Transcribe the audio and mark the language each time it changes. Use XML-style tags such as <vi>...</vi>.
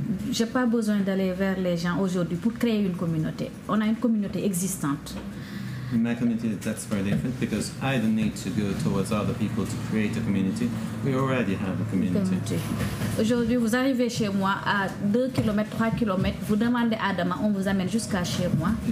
<fr>J'ai pas besoin d'aller vers les gens aujourd'hui pour créer une communauté. On a une communauté existante.</fr> <en>In my community, that's very different because I don't need to go towards other people to create a community. We already have a community.</en> <fr>Aujourd'hui, vous arrivez chez moi à 2 km, 3 km, vous demandez à Adama, on vous amène jusqu'à chez moi.</fr>